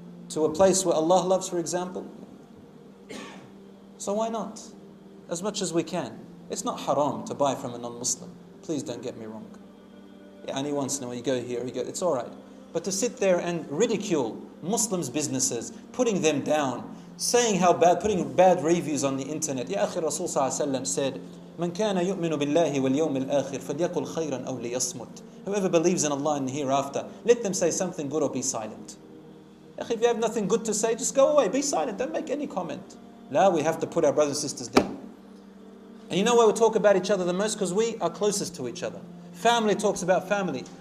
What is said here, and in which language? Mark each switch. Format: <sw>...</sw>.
<en>To a place where Allah loves, for example. So why not? As much as we can. It's not haram to buy from a non-Muslim. Please don't get me wrong. Yeah, only once in a while you go here, you go, it's all right. But to sit there and ridicule Muslims' businesses, putting them down, saying how bad, putting bad reviews on the internet.</en> <ar>Ya akhi, Rasul sallallahu alayhi wa sallam</ar> <en>said,</en> <ar>من كان يؤمن بالله واليوم الآخر فليقل خيرا أو ليصمت.</ar> <en>Whoever believes in Allah and the hereafter, let them say something good or be silent. If you have nothing good to say, just go away, be silent, don't make any comment. Now we have to put our brothers and sisters down. And you know why we talk about each other the most? Because we are closest to each other. Family talks about family.</en>